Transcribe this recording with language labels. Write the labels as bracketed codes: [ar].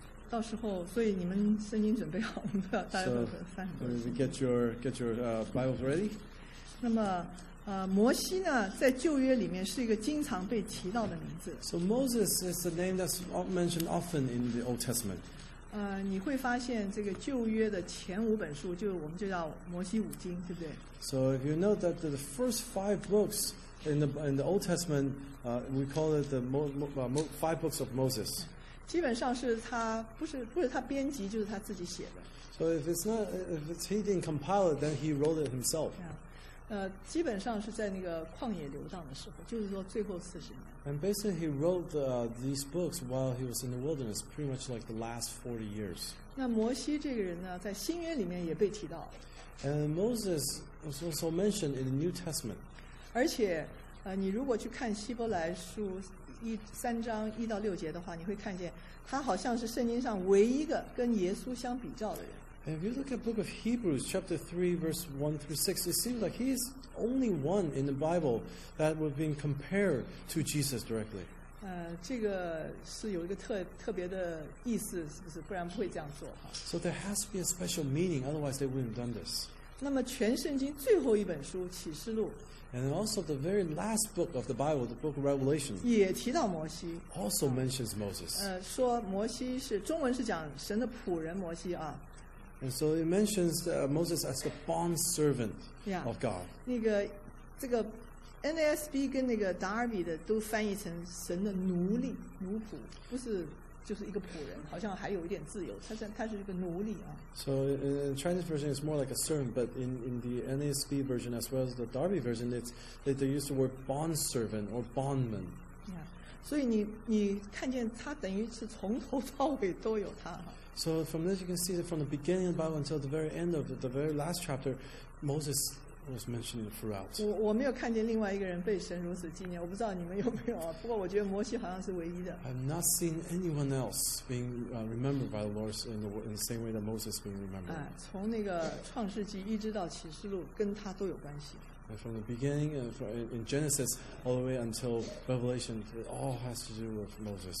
[zh] 到时候，所以你们圣经准备好，我们都要大家都翻很多。 [en] So get your Bibles ready. [zh] 那么。摩西呢，在旧约里面是一个经常被提到的名字。 [en] So Moses is the name that's mentioned often in the Old Testament. [zh] 你会发现这个旧约的前五本书，就我们就叫摩西五经，对不对 [en] ？So if you know that the first five books in the Old Testament, we call it the five books of Moses. [zh] 基本上是他不是他编辑，就是他自己写的。 [en] So if he didn't compile it, then he wrote it himself. [zh] 基本上是在那个旷野流荡的时候，就是说最后四十年。 [en] And basically, he wrote these books while he was in the wilderness, pretty much like the last 40 years. [zh] 那摩西这个人呢，在新约里面也被提到。 [en] And Moses was also mentioned in the New Testament. [zh] 而且，你如果去看希伯来书三章一到六节的话，你会看见他好像是圣经上唯一一个跟耶稣相比较的人。 [en] If you look at the book of Hebrews, chapter 3, verse 1 through 6, it seems like he's only one in the Bible that would be compared to Jesus directly. [zh] 这个是有一个特别的意思，是不是？不然不会这样做。 [en] So there has to be a special meaning, otherwise they wouldn't have done this. [zh] 那么全圣经最后一本书，启示录。 [en] And also the very last book of the Bible, the book of Revelation, [zh] 也提到摩西。 [en] Also mentions Moses. [zh] 说摩西是，中文是讲神的仆人摩西啊。 [en] And so it mentions Moses as the bond servant of God. [zh] 那个这个 NASB 跟那个 Darby 的都翻译成神的奴隶、奴仆，不是就是一个仆人，好像还有一点自由。他是一个奴隶啊。 [en] So in Chinese version is more like a servant, but in the NASB version as well as the Darby version, they use the word bond servant or bondman. Yeah. [zh] 所以你看见他等于是从头到尾都有他。 [en] So from this, you can see that from the beginning of the Bible until the very end of the very last chapter, Moses was mentioned throughout. [zh] 我没有看见另外一个人被神如此纪念，我不知道你们有没有啊。不过我觉得摩西好像是唯一的。 [en] I've not seen anyone else being remembered by the Lord in the same way that Moses being remembered. [zh] 从那个创世纪一直到启示录，跟他都有关系。 [en] And from the beginning, in Genesis, all the way until Revelation, it all has to do with Moses.